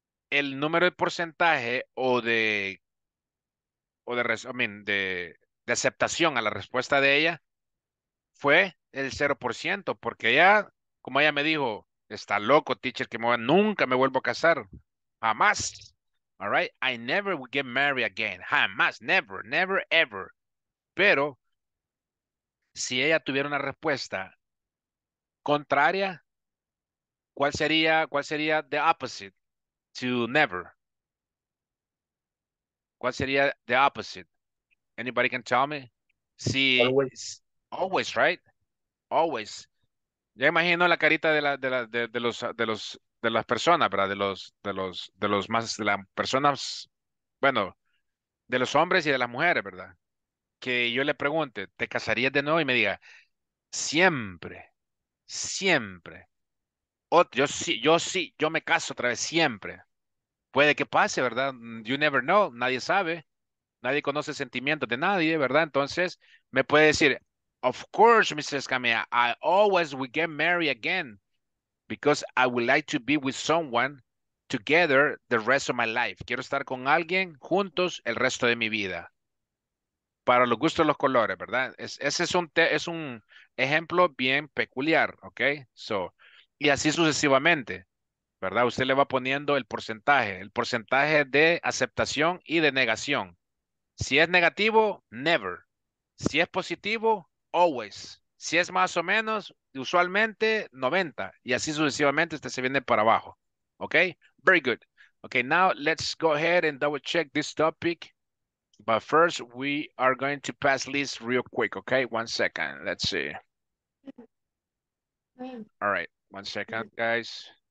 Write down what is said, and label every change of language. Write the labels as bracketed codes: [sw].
[es] El número de porcentaje de aceptación a la respuesta de ella fue el 0%, porque ella, como ella me dijo, está loco, teacher, que nunca me vuelvo a casar, jamás, [en] all right? I never would get married again, [es] jamás, [en] never, never, ever. [es] Pero si ella tuviera una respuesta contraria, ¿cuál sería [en] the opposite to never? [es] ¿Cuál sería [en] the opposite? Anybody can tell me? Si, always. Always, right? Always. [es] Ya imagino la carita de las personas, ¿verdad? De las personas, bueno, de los hombres y de las mujeres, ¿verdad? Que yo le pregunte, ¿te casarías de nuevo? Y me diga, siempre. Siempre. Yo me caso otra vez, siempre. Puede que pase, ¿verdad? [en] You never know, [es] nadie sabe. Nadie conoce sentimientos de nadie, ¿verdad? Entonces, me puede decir, [en] of course, [es] Mrs. [en] Escamilla, I always will get married again because I would like to be with someone together the rest of my life. [es] Quiero estar con alguien juntos el resto de mi vida. Para los gustos, los colores, ¿verdad? Ese es un ejemplo bien peculiar, ¿ok? So, y así sucesivamente, ¿verdad? Usted le va poniendo el porcentaje de aceptación y de negación. Si es negativo, never. Si es positivo, always. Si es más o menos, usualmente, 90. Y así sucesivamente, usted se viene para abajo, [en] Okay, very good. Okay, now let's go ahead and double check this topic. But first, we are going to pass list real quick, okay? 1 second, let's see. All right, 1 second, guys.